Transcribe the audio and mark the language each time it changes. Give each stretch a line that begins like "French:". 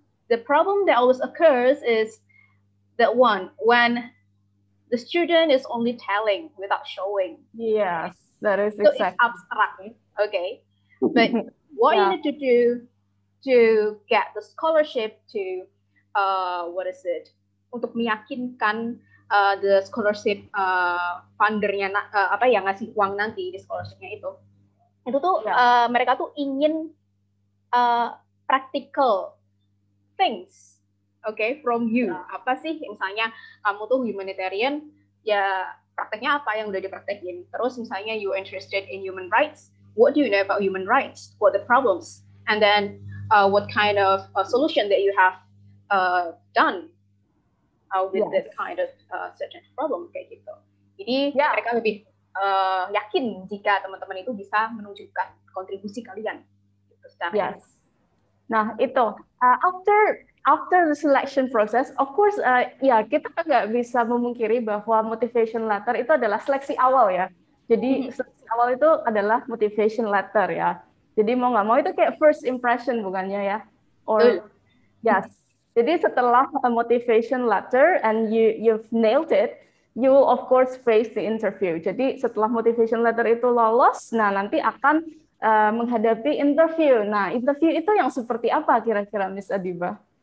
English: The problem that always occurs is that one, when the student is only telling without showing. Yes, that is so exactly. It's abstract, okay? But what yeah. You need to do to get the scholarship to, what is it?
Indonesian: Untuk meyakinkan
English: the scholarship
Indonesian: fundernya, apa yang ngasih uang nanti di scholarship-nya itu. Itu tuh yeah. Mereka tuh ingin
English: practical things, okay, from you. Yeah.
Indonesian: Apa sih misalnya kamu tuh humanitarian, ya prakteknya apa yang udah dipraktekin. Terus misalnya
English: you interested in human rights, what do you know about human rights? What the problems? And then what kind of solution that you have done with yes. That kind of certain problem,
Indonesian: kayak gitu. Jadi yeah. Mereka lebih yakin jika teman-teman itu bisa menunjukkan kontribusi kalian.
English: Yes.
Indonesian: Nah, itu
English: after the selection process, of course
Indonesian: ya kita enggak bisa memungkiri bahwa motivation letter itu adalah seleksi awal ya. Jadi seleksi awal itu adalah motivation letter ya. Jadi mau enggak mau itu kayak first impression bukannya ya.
English: Or yes.
Indonesian: Jadi setelah
English: a motivation letter and you've nailed it, you will of course face the interview.
Indonesian: Jadi setelah motivation letter itu lolos, nah nanti akan menghadapi interview. Nah, interview itu yang seperti apa kira-kira, Miss Adiba?